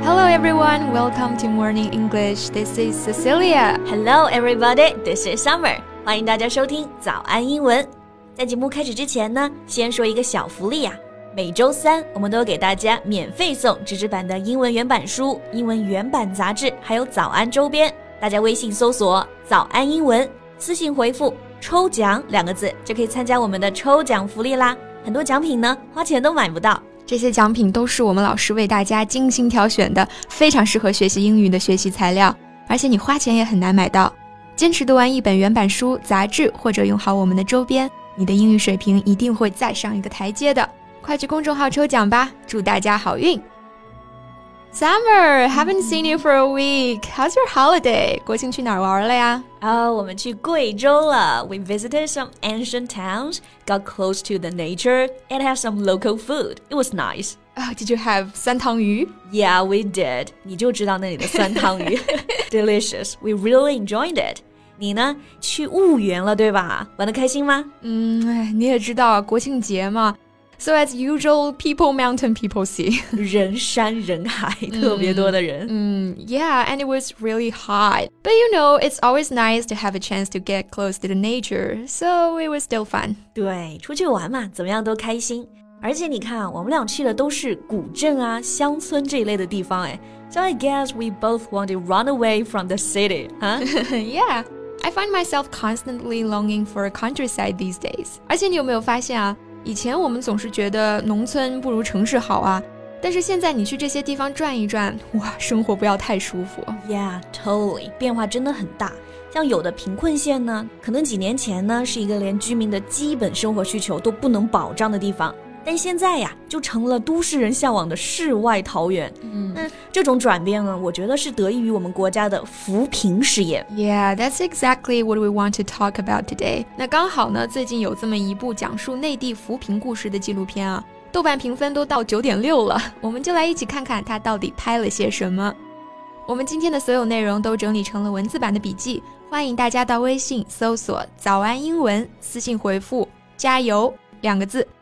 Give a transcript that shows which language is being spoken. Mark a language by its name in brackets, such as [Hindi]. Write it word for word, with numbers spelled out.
[English] everyone, welcome to Morning English. This is Cecilia. Hello, everybody. This is Summer. [Chinese] 欢迎大家收听早安英文。在节目开始之前呢，先说一个小福利啊。每周三我们都给大家免费送纸质版的英文原版书、英文原版杂志，还有早安周边。大家微信搜索早安英文，私信回复抽奖两个字，就可以参加我们的抽奖福利啦。很多奖品呢，花钱都买不到。这些奖品都是我们老师为大家精心挑选的，非常适合学习英语的学习材料，而且你花钱也很难买到。坚持读完一本原版书、杂志，或者用好我们的周边，你的英语水平一定会再上一个台阶的。快去公众号抽奖吧，祝大家好运。 [English] Summer, haven't seen you for a week. How's your holiday? [Chinese] 国庆去哪儿玩了呀？哦，我们去贵州了。 [English] We visited some ancient towns, got close to the nature, and had some local food. It was nice. Oh, did you have 酸汤鱼？ Yeah, we did. [Chinese] 你就知道那里的酸汤鱼。 [English] Delicious. We really enjoyed it. [Chinese] 你呢？去婺源了，对吧？玩得开心吗？嗯，你也知道，国庆节嘛。 [English] So as usual, people, mountain people see. [Chinese] 人山人海，特别多的人。 [English] 嗯 yeah, and it was really hot. But you know, it's always nice to have a chance to get close to the nature, so it was still fun. [Chinese] 对，出去玩嘛，怎么样都开心。而且你看，我们俩去的都是古镇啊、乡村这一类的地方诶。 [English] So I guess we both want to run away from the city, huh? Yeah, I find myself constantly longing for a countryside these days. [Chinese] 而且你有没有发现啊？以前我们总是觉得农村不如城市好啊，但是现在你去这些地方转一转，哇，生活不要太舒服。 [English] Yeah, totally. [Chinese] 变化真的很大。像有的贫困县呢，可能几年前呢，是一个连居民的基本生活需求都不能保障的地方。但现在呀，就成了都市人向往的世外桃源。嗯，那这种转变呢，我觉得是得益于我们国家的扶贫事业。 [English] Yeah, that's exactly what we want to talk about today. [Chinese] 那刚好呢，最近有这么一部讲述内地扶贫故事的纪录片啊，豆瓣评分都到 九点六 了，我们就来一起看看它到底拍了些什么。我们今天的所有内容都整理成了文字版的笔记，欢迎大家到微信搜索早安英文，私信回复加油两个字。